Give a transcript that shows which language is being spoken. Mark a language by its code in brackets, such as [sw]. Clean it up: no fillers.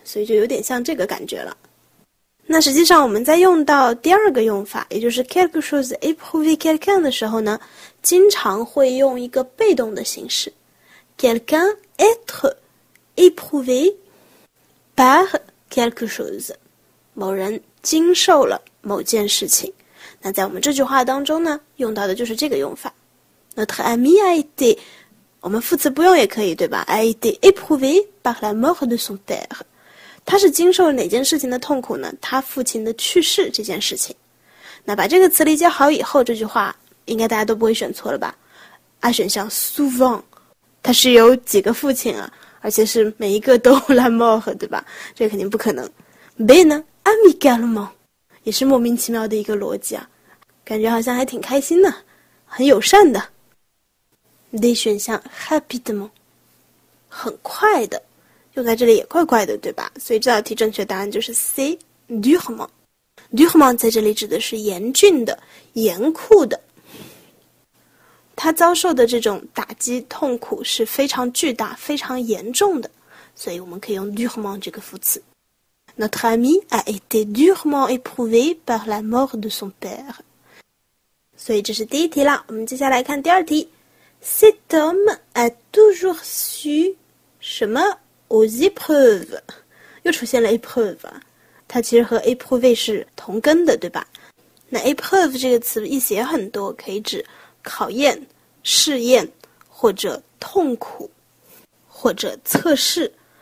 [zh] 所以就有点像这个感觉了。那实际上我们在用到第二个用法，也就是 [fr] quelque chose éprouvé quelqu'un [zh] 的时候呢，经常会用一个被动的形式， [fr] quelqu'un être éprouvé par quelque chose, [zh] 某人经受了某件事情。那在我们这句话当中呢，用到的就是这个用法。 [fr] Notre ami a été, [zh] 我们副词不用也可以，对吧？ [fr] A été éprouvé par la mort de son père. [zh] 他是经受哪件事情的痛苦呢？他父亲的去世这件事情。那把这个词理解好以后，这句话应该大家都不会选错了吧？A选项 souvent, 它是有几个父亲啊？而且是每一个都 la mort，对吧？这肯定不可能。 Bene, amicalement，也是莫名其妙的一个逻辑啊，感觉好像还挺开心的，很友善的。 D 选项 rapidement，很快的，用在这里也怪怪的，对吧？所以这道题正确答案就是 C durement。Durement 在这里指的是严峻的、严酷的。他遭受的这种打击、痛苦是非常巨大、非常严重的，所以我们可以用 durement 这个副词。 [fr] Notre ami a été durement éprouvé par la mort de son père。 [zh] 所以这是第一题啦，我们接下来看第二题。 [fr] Cet homme a toujours su 什么 aux épreuves？ [zh] 又出现了 épreuve 啊，它其实和 éprouvé 是同根的，对吧？那 épreuve 这个词意思也很多，可以指考验、试验，或者痛苦，或者测试。